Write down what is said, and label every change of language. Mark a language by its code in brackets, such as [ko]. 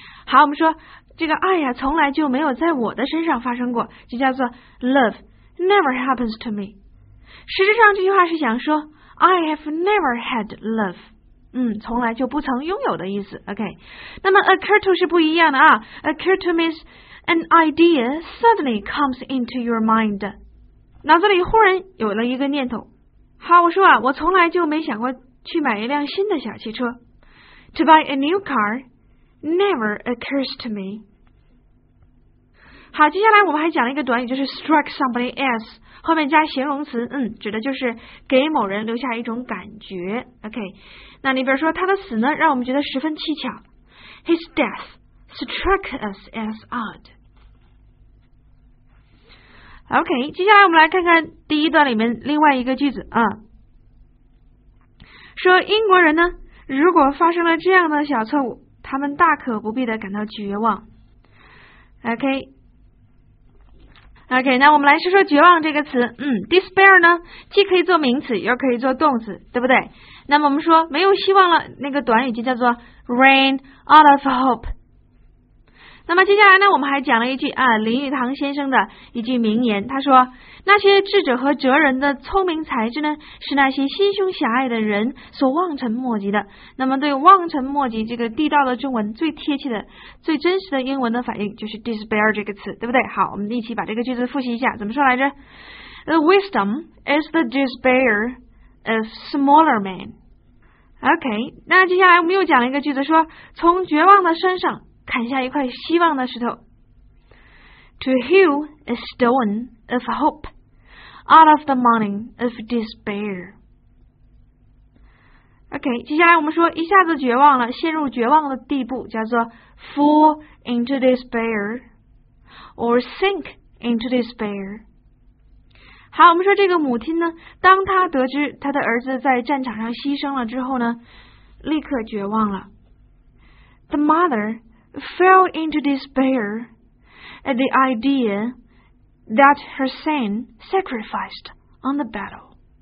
[zh] 好，我们说。这个爱呀，从来就没有在我的身上发生过，就叫做 [en] love never happens to me。 [zh] 实质上这句话是想说 [en] I have never had love， [zh] 从来就不曾拥有的意思。 OK， 那么 occur to 是不一样的啊。 [en] Occur to means an idea suddenly comes into your mind， [zh] 脑子里忽然有了一个念头。好，我说啊，我从来就没想过去买一辆新的小汽车。 [en] To buy a new car。 Never occurs to me。 [zh] 好，接下来我们还讲了一个短语，就是 [en] strike somebody as， [zh] 后面加形容词，指的就是给某人留下一种感觉。 OK， 那你比如说他的死呢，让我们觉得十分蹊跷。 [en] His death struck us as odd。 [zh] OK， 接下来我们来看看第一段里面另外一个句子啊，说英国人呢，如果发生了这样的小错误。他们大可不必的感到绝望。OK， 那我们来说说绝望这个词。 Despair 呢，既可以做名词，又可以做动词，对不对？那么我们说没有希望了，那个短语就叫做 [en] rain out of hope。 [zh] 那么接下来呢，我们还讲了一句啊，林语堂先生的一句名言，他说：“那些智者和哲人的聪明才智呢，是那些心胸狭隘的人所望尘莫及的。” 那么对“望尘莫及”这个地道的中文最贴切的、最真实的英文的反应就是 despair 这个词，对不对？好，我们一起把这个句子复习一下，怎么说来着 ？ [en] The wisdom is the despair of smaller men. [zh] OK， 那接下来我们又讲了一个句子说，说从绝望的山上。砍下一块希望的石头 [en] ，to hew a stone of hope out of the morning of despair。 [zh] OK， 接下来我们说一下子绝望了，陷入绝望的地步，叫做 [en] fall into despair or sink into despair。 [zh] 好，我们说这个母亲呢，当她得知她的儿子在战场上牺牲了之后呢，立刻绝望了。 [en] The mother。 Fell into despair at the idea that her son sacrificed on the battle.